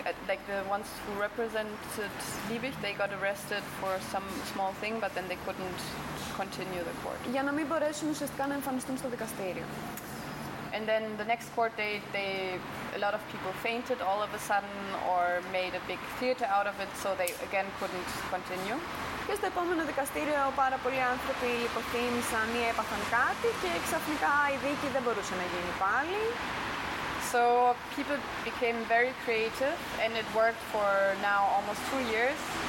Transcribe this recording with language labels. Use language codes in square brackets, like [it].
[en] like the ones who represented Liebig, they got arrested for some small thing, but then they couldn't continue the court. [el] Για να μην μπορέσουν ουσιαστικά να εμφανιστούν στο δικαστήριο. [en] And then the next court date, a lot of people fainted all of a sudden or made a big theater out of it, so they again couldn't continue. [el] Και στο επόμενο δικαστήριο πάρα πολλοί άνθρωποι υποθύμησαν ή έπαθαν κάτι και ξαφνικά η δίκη δεν μπορούσε να γίνει πάλι. [en] So people became very creative and it worked for now almost 2 years.